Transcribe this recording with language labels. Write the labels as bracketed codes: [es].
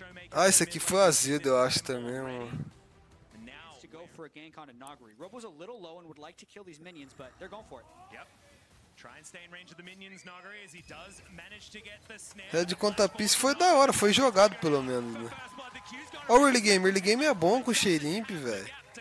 [pt] Ah, esse aqui foi azedo, eu acho também, mano. [en] Now to go for a gank on Inaugury. Robo's a little low and would like to kill these minions, but they're going for it. Yep. Try and stay in range of the minions, Noggery, as he does manage to get the snare. [pt] Red contra a Peace foi da hora, foi jogado pelo menos, né? Ó o early game é bom com o Sheerimp, velho.